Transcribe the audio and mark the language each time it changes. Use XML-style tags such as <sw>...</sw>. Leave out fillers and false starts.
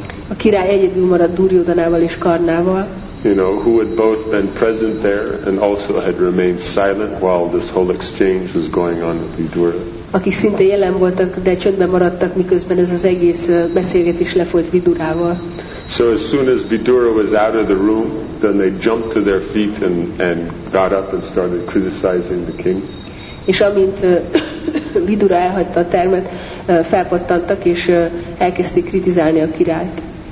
<hu>A király egyedül maradt Duryodhanával és Karnával.</hu> <en>You know, who had both been present there and also had remained silent while this whole exchange was going on with Vidura.</en> <hu>Akik szinte jelen voltak, de csöndben maradtak, miközben ez az egész beszélgetés lefolyt Vidurával.</hu> <en>So as soon as Vidura was out of the room, then they jumped to their feet and got up and started criticizing the king.</en> <hu>És amint Vidura elhagyta a termet, felpattantak és elkezdték kritizálni a királyt.</hu>